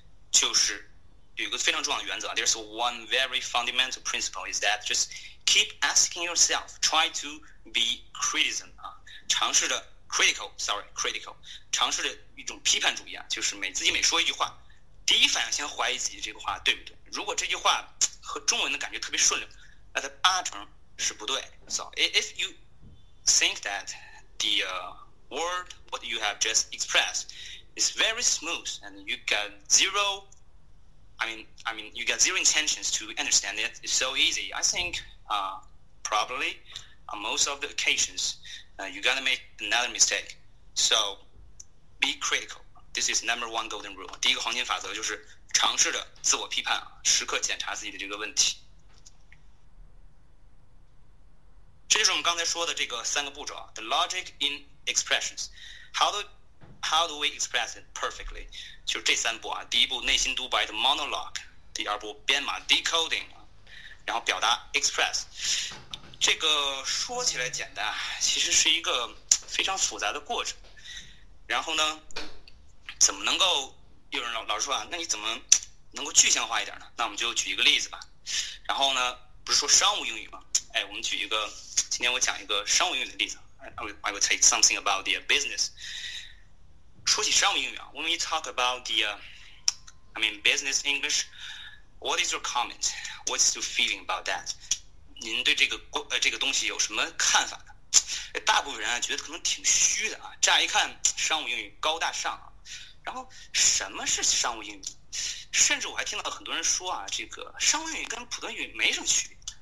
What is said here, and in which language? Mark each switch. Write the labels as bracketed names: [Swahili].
[Chinese] 就是有一个非常重要的原则啊， [English] There's one very fundamental principle is that just keep asking yourself, try to be criticism [Chinese] 啊，尝试着 [English] critical，sorry，critical， [Chinese] 尝试着一种批判主义啊，就是每说一句话，第一反应先怀疑自己这个话对不对？如果这句话和中文的感觉特别顺溜，那它八成是不对。 [English] So if you think that the word what you have just expressed is very smooth and you got zero I mean, you got zero intentions to understand it. It's so easy. I think, probably, on most of the occasions, you're gonna make another mistake. So, be critical. This is number one golden rule. [Chinese] 第一个黄金法则就是尝试着自我批判啊，时刻检查自己的这个问题。这就是我们刚才说的这个三个步骤啊， [English] the logic in expressions. How do we express it perfectly？ [Chinese] 就是这三步啊，第一步内心独白的 monologue，第二步编码 decoding，然后表达 express。这个说起来简单，其实是一个非常复杂的过程。然后呢，怎么能够有人老师说啊？那你怎么能够具象化一点呢？那我们就举一个例子吧。然后呢，不是说商务英语吗？哎，我们举一个，今天我讲一个商务英语的例子。 [English] I will take something about the business。 [Chinese] 说起商务英语啊， [English] When we talk about the business English，what is your comment？What's your feeling about that？ [Chinese] 您对这个东西有什么看法呢？大部分人啊觉得可能挺虚的啊，乍一看商务英语高大上啊，然后什么是商务英语？甚至我还听到很多人说啊，这个商务英语跟普通英语没什么区别。